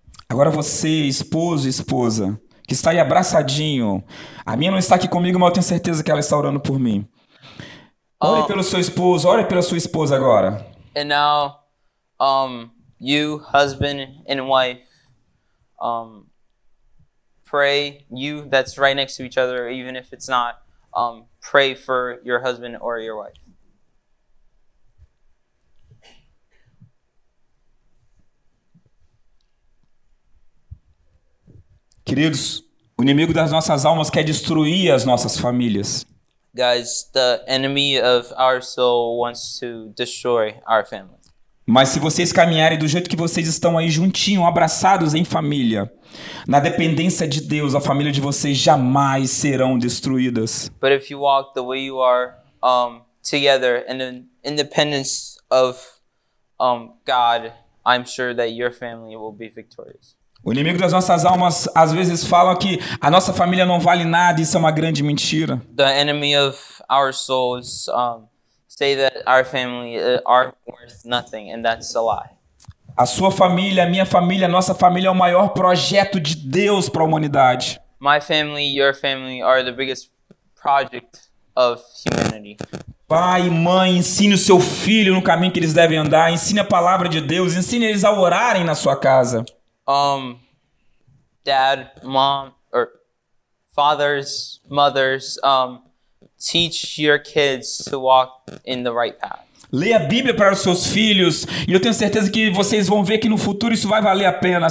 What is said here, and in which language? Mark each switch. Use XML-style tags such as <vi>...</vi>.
<pt>Agora você, esposo e esposa, que está aí abraçadinho. A minha não está aqui comigo, mas eu tenho certeza que ela está orando por mim. Ore pelo seu esposo, ore pela sua esposa agora.</pt> <en>And now, you, husband and wife, pray, you that's right next to each other, even if it's not, pray for your husband or your wife.</en> <pt>Queridos, o inimigo das nossas almas quer destruir as nossas famílias.</pt> <en>Guys, the enemy of our soul wants to destroy our family.</en> <pt>Mas se vocês caminharem do jeito que vocês estão aí juntinho, abraçados em família, na dependência de Deus, a família de vocês jamais serão destruídas.</pt> <en>But if you walk the way you are, together in an independence of God, I'm sure that your family will be victorious.</en> <pt>O inimigo das nossas almas às vezes fala que a nossa família não vale nada, isso é uma grande mentira.</pt> <en>The enemy of our souls say that our family aren't worth nothing, and that's a lie.</en> <pt>A sua família, a minha família, a nossa família é o maior projeto de Deus para a humanidade.</pt> <en>My family, your family are the biggest project of humanity.</en> <pt>Pai, mãe, ensine o seu filho no caminho que eles devem andar, ensine a palavra de Deus, ensine eles a orarem na sua casa.</pt> <en>Dad, mom, or fathers, mothers, teach your kids to walk in the right path.</en> <pt>Leia a Bíblia para os seus filhos, e eu tenho certeza que vocês vão ver que no futuro isso vai valer a pena.</pt>